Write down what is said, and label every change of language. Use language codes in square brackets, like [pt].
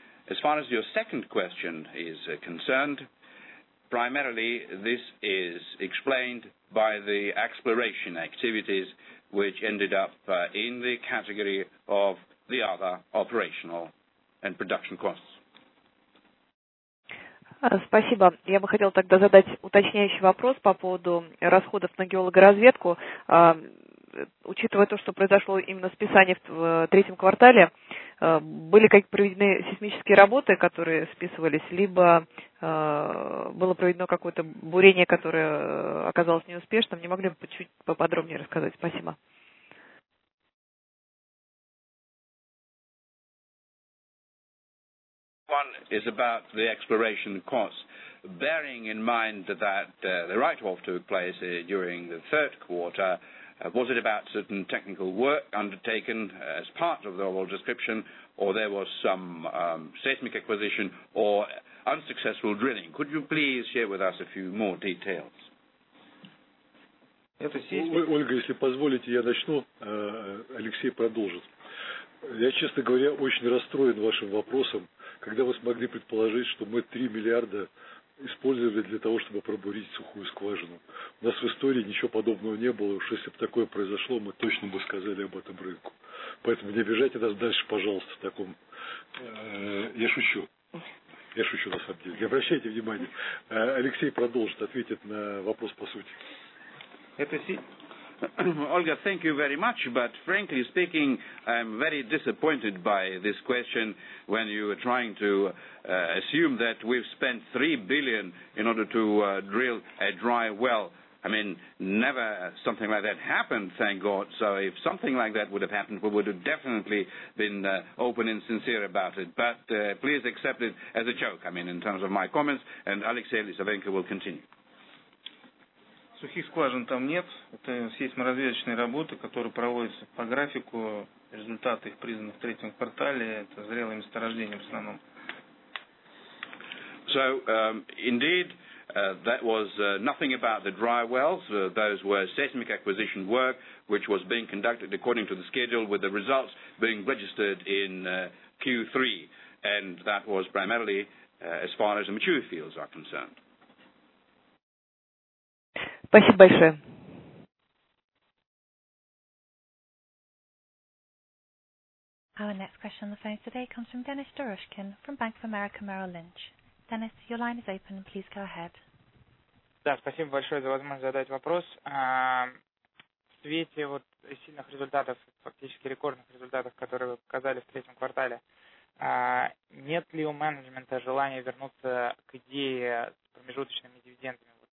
[en] As far as your second question is concerned, primarily this is explained by the exploration activities which ended up in the category of the other operational and production costs. [ru] Спасибо. Я бы хотел тогда задать уточняющий вопрос по поводу расходов на геологоразведку. Учитывая то, что произошло именно списание в третьем квартале, были какие-то проведены сейсмические работы, которые списывались, либо было проведено какое-то бурение, которое оказалось неуспешным. Не могли бы чуть поподробнее рассказать? Спасибо. [en] One is about the exploration costs. Bearing in mind that the write-off took place during the third quarter, was it about certain technical work undertaken as part of the overall description, or there was some seismic acquisition or unsuccessful drilling? Could you please share with us a few more details? [ru] Ольга, если позволите, я начну, Алексей продолжит. Я, честно говоря, очень расстроен вашим вопросом, когда вы смогли предположить, что мы 3 миллиарда использовали для того, чтобы пробурить сухую скважину. У нас в истории ничего подобного не было, уж если бы такое произошло, мы точно бы сказали об этом рынку. Поэтому не обижайте нас дальше, пожалуйста, в таком... Я шучу. Я шучу, на самом деле. Не обращайте внимания. Алексей продолжит, ответит на вопрос по сути. Это си... [en] Ольга, thank you very much, but frankly speaking, I'm very disappointed by this question when you are trying to assume that we've spent $3 billion in order to drill a dry well. I mean, never something like that happened, thank God. So if something like that would have happened, we would have definitely been open and sincere about it. But please accept it as a joke, I mean, in terms of my comments, and Alexey Lisavenko will continue. [ru] Сухих скважин там нет. Это сейсморазведочные работы, которые проводятся по графику. Результаты их признаны в третьем квартале. Это зрелые месторождения в основном. [en] So, indeed, that was nothing about the dry wells. Those were seismic acquisition work, which was being conducted according to the schedule, with the results being registered in Q3. And that was primarily as far as the mature fields are concerned. [ru] Спасибо большое. [en] Our next question on the phone today comes from Denis Dorushkin from Bank of America Merrill Lynch. Denis, your line is open. Please go ahead. [ru] Да, спасибо большое за возможность задать вопрос. В свете вот сильных результатов, фактически рекордных результатов, которые вы показали в третьем квартале, нет ли у менеджмента желания вернуться к идее с промежуточными дивидендами?